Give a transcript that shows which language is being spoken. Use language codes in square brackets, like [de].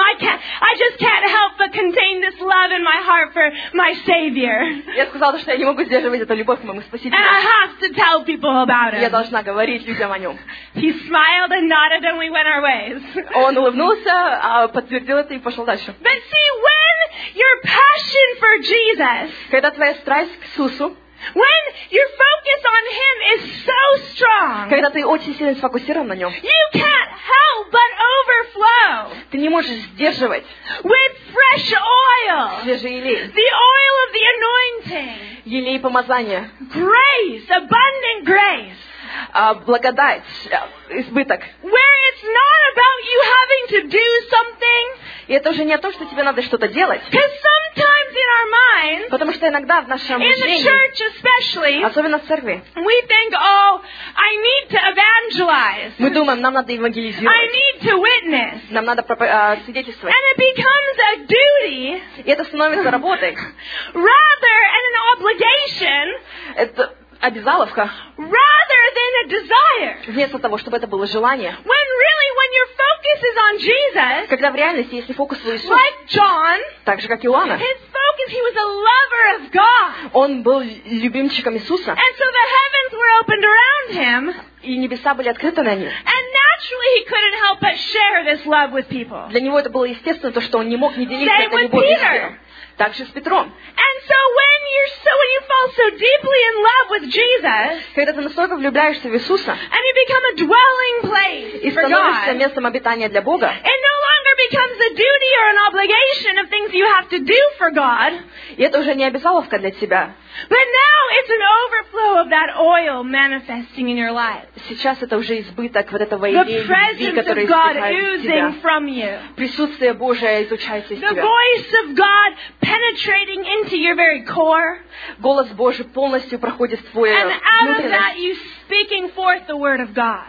[en] I just can't help but contain this love in my heart for my Savior. [ru] Я сказала, что я не могу сдерживать эту любовь к моему Спасителю. [en] And I have to tell people about it. [ru] Я должна говорить людям о нем. [en] He smiled and nodded and we went our ways. [ru] Он улыбнулся, подтвердил это и пошел дальше. [en] But see, when your passion for Jesus, [ru] когда твоя страсть к Иисусу, [en] when your focus on Him is so strong, [ru] когда ты очень сильно сфокусирован на нем, [en] you can't help but overflow. [ru] Ты не можешь сдерживать. [en] With fresh oil, [ru] свежий елей, [en] the oil of the anointing, [ru] елей помазания, [en] grace, abundant grace, [ru] благодать, избыток. [en] Where it's not about you having to do something. [ru] И это уже не о том, что тебе надо что-то делать. [en] Because sometimes in our minds, [ru] потому что иногда в нашем мышлении, особенно в церкви, [en] we think, oh, I need to evangelize. [ru] Мы думаем, нам надо евангелизировать. [en] I need to witness. [ru] Нам надо свидетельствовать. [en] And it becomes a duty, [ru] и это становится работой. [en] Rather than an obligation, [ru] это обязаловка. [en] Rather than a desire. [ru] Вместо того, чтобы это было желание. [en] When really, when your focus is on Jesus, [ru] когда в реальности, если фокус на Иисусе, [en] like John, [ru] так же, как Иоанна, [en] his focus, he was a lover of God. [ru] Он был любимчиком Иисуса. [en] And so the heavens were opened around him, [ru] и небеса были открыты на нем. [en] And naturally, he couldn't help but share this love with people. [ru] Для него это было естественно то, что он не мог не делиться этой любовью с кем. Также с Петром. [en] And so when you're so when you fall so deeply in love with Jesus, [ru] когда ты настолько влюбляешься в Иисуса, [en] and you become a dwelling place for God, [ru] и становишься местом обитания для Бога, [en] it no longer becomes a duty or an obligation of things you have to do for God. [ru] И это уже не обязаловка для тебя. [en] But now it's an overflow of that oil manifesting in your life. [ru] Сейчас это уже избыток вот этого идеи, который исходит из тебя. [en] The presence of God oozing from you. [ru] Присутствие Божие излучается из тебя. [en] The voice of God penetrating into your very core. [ru] Голос Божий полностью проходит в твою внутренность. [en] And out of that you speaking forth the word of God.